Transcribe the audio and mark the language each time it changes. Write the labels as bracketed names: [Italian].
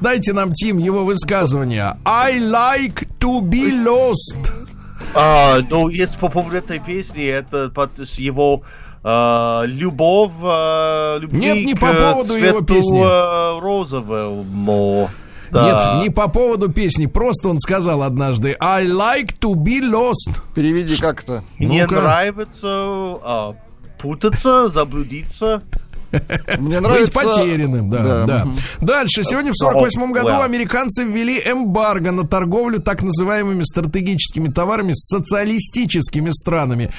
[Russian] Дайте нам, Тим, его высказывание. [English] I like to be lost. [Russian] Ну, если по поводу этой песни, это под его любовь. Нет, не по поводу его песни. Розовому. Да. Нет, не по поводу песни. Просто он сказал однажды [English] I like to be lost. [Russian] Переведи как-то. Мне нравится путаться, заблудиться. Мне нравится быть потерянным, да, да. Да. Дальше, сегодня в 48-м году американцы ввели эмбарго на торговлю так называемыми стратегическими товарами с социалистическими странами.